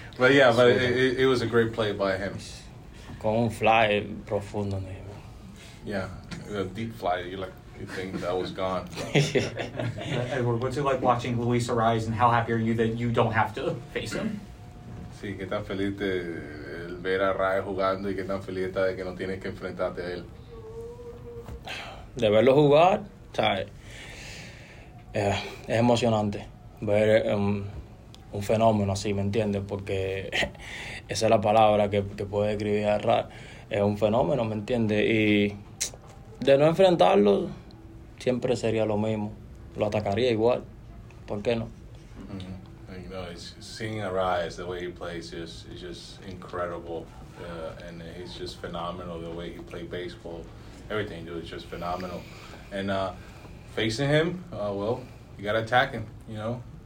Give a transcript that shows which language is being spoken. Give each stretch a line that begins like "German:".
English: But yeah, but it was a great play by him.
Spanish: Con un fly profundo.
English: Yeah, a deep fly, you're like, thing that was gone. Edward, what's it like watching Luis arise, and how happy are you that you don't have to face him?
Spanish: Sí, que tan feliz de ver a Ray jugando y que tan feliz está de que no tienes que enfrentarte a él. De verlo jugar, es emocionante ver un fenómeno así, ¿me entiendes? Porque esa es la palabra que puede describir a Ray. Es un fenómeno, ¿me entiendes? Y de no enfrentarlo, siempre sería lo mismo. Lo atacaría igual. ¿Por qué no? Mm-hmm.
English: You know, seeing Arias, the way he plays, is just incredible. And he's just phenomenal, the way he played baseball. Everything he does is just phenomenal. And facing him, well, you got to attack him, you know?